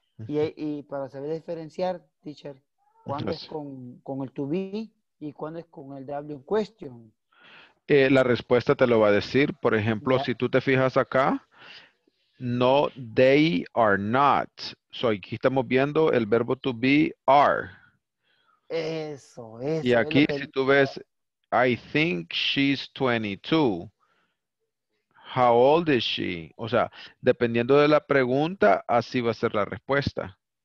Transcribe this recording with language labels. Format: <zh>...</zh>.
<es>Y para saber diferenciar, teacher, ¿cuándo es con el to be y cuándo es con el W in question? La respuesta te lo va a decir. Por ejemplo, yeah. Si tú te fijas acá, no,</es> <en>they are not.</en> <es>So, aquí estamos viendo el verbo to be, are. Eso. Y aquí, si tú ves,</es> <en>I think she's 22. How old is she?</en> <es>O sea, dependiendo de la pregunta, así va a ser la respuesta.</es>